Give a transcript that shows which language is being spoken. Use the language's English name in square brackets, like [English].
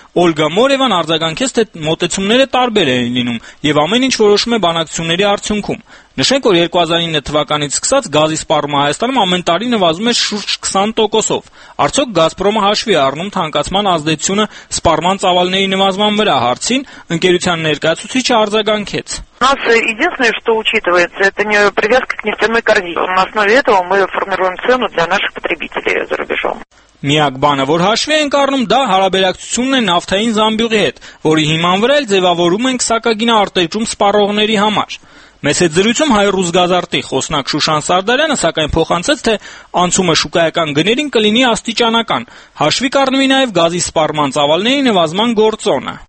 [Armenian] Օլգա Մորևան արձագանքեց, թե մոտեցումները տարբեր են լինում եւ ամեն ինչ որոշում է բանակցությունների արդյունքում։ Նշենք, որ 2009 թվականից սկսած գազի սպառումը Հայաստանում ամեն տարի նվազում է շուրջ 20%-ով։ Արդյոք Գազպրոմը հաշվի է առնում թանկացման ազդեցությունը սպառման ծավալների նվազման վրա, հարցին ընկերության ներկայացուցիչը արձագանքեց։ [Russian] У нас единственное, что учитывается, это не привязка к нефтяной корзине. На основе этого мы формируем цену для наших потребителей за рубежом. [Armenian] Միակ բանը, որ հաշվի ենք առնում, դա հարաբերակցությունն է նավթային զամբյուղի հետ, որի հիման վրա էլ ձևավորում ենք սակագինը արտերկրում սպառողների համար։ Մեծ զրույցում Հայ-Ռուս գազարտի խոսնակ Շուշան Սարդարյանը սակայն փոխանցեց, թե անցումը շուկայական գներին կլինի աստիճանական, հաշվի առնելով նաև գազի սպառման ծավալների նվազման գործոնը։